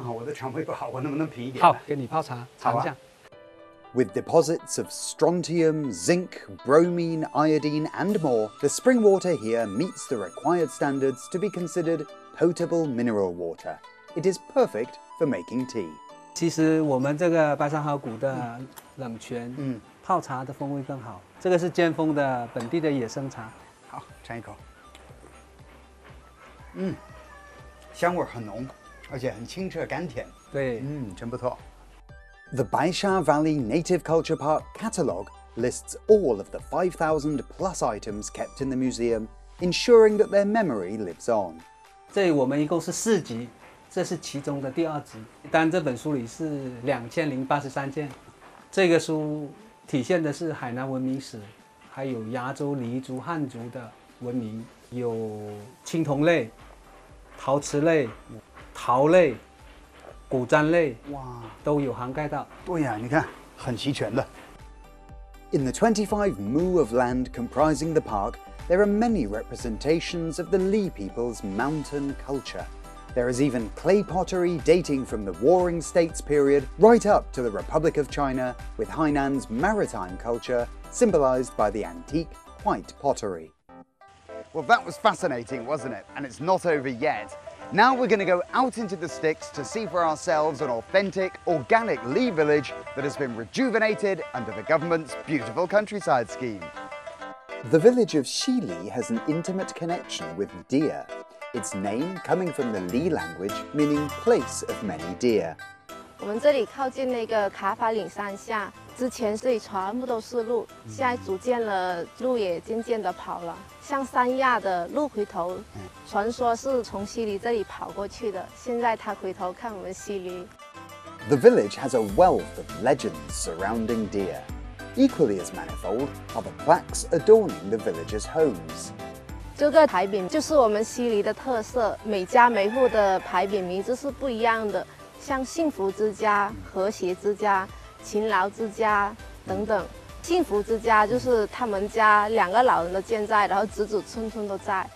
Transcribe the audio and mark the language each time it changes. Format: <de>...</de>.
<zh>这个就是我们的亚洲第一泉，亚洲之上都有记载。我们这个泉是灌田石一亩，对农业生产有好处。那咱们这个水质有什么特别的处吗？这个水质我们海南省地矿部门来做个检测，已经符合这个指引的标准。它对心脑血管啊，对肠胃啊都有比较大的疗效。哦，刚好我的肠胃不好，我能不能品一点？好，给你泡茶，尝一下。</zh> <en>With deposits of strontium, zinc, bromine, iodine and more, the spring water here meets the required standards to be considered potable mineral water. It is perfect for making tea.</en> <zh>其实我们这个白沙河谷的冷泉，泡茶的风味更好。这个是尖峰的本地的野生茶。好，尝一口。香味很浓，而且很清澈甘甜。对，真不错。</zh> <en>The Baisha Valley Native Culture Park catalog lists all of the 5,000 plus items kept in the museum, ensuring that their memory lives on.</en> <zh>这我们一共是四集，这是其中的第二集。但这本书里是2083件。这个书体现的是海南文明史，还有亚洲黎族、汉族的文明，有青铜类、陶瓷类、陶类、古砖类，哇，都有涵盖到。对呀，你看，很齐全的。</zh> <en>In the 25 mu of land comprising the park, there are many representations of the Li people's mountain culture. There is even clay pottery dating from the Warring States period right up to the Republic of China, with Hainan's maritime culture symbolized by the antique white pottery. Well, that was fascinating, wasn't it? And it's not over yet. Now we're going to go out into the sticks to see for ourselves an authentic, organic Li village that has been rejuvenated under the government's beautiful countryside scheme. The village of Xili has an intimate connection with deer. Its name coming from the Li language, meaning place of many deer.</en> <zh>我们这里靠近那个卡法岭山下，之前这里全部都是鹿，现在逐渐了，鹿也渐渐地跑了。像三亚的鹿回头，传说是从西里这里跑过去的，现在他回头看我们西里。</zh> <en>The village has a wealth of legends surrounding deer. Equally as manifold are the plaques adorning the village's homes.</en> <zh>这个牌匾就是我们西里的特色，每家每户的牌匾名字是不一样的，像幸福之家、和谐之家、勤劳之家等等。幸福之家就是他们家两个老人都健在，然后子子孙孙都在，</zh>